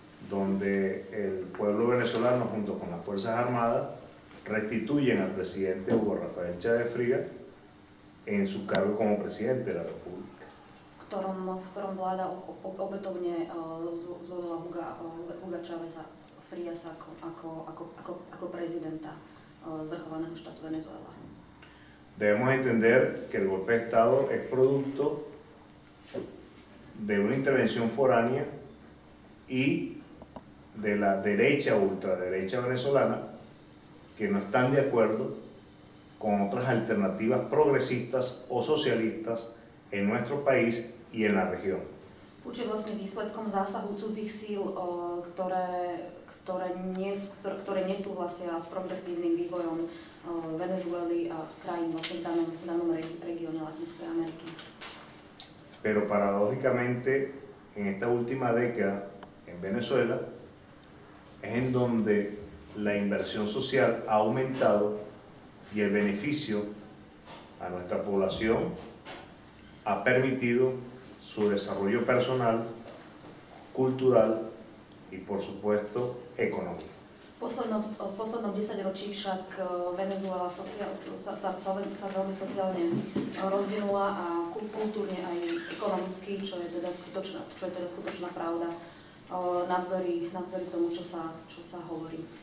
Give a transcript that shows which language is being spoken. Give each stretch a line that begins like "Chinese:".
Spanish: Donde el pueblo venezolano junto con las Fuerzas Armadas restituyen al presidente Hugo Rafael Chávez Frías en su cargo como presidente de la República.
Slovak: V ktorom vláda opätovne zvolila Huga Cháveza Fríasa ako prezidenta zvrchovaného štátu Venezuela.
Spanish: Debemos entender que el golpe de Estado es producto de una intervención foránea y de la derecha ultraderecha venezolana que no están de acuerdo con otras alternativas progresistas o socialistas en nuestro país y en la región.
Slovak: Puč je vlastne výsledkom zásahu cudzích síl, ktoré nesúhlasia s progresívnym vývojom Venezuely a krajín vlastne v danom regióne Latinskej Ameriky.
Spanish: Pero paradójicamente, en esta última década, en Venezuela, es en donde la inversión social ha aumentado y el beneficio a nuestra población ha permitido su desarrollo personal, cultural y, por supuesto, económico.
Slovak: V poslednom 10 ročí však Venezuela sa veľmi sociálne rozvinula a kultúrne aj ekonomicky, čo je teda skutočná pravda, navzdory tomu, čo sa hovorí.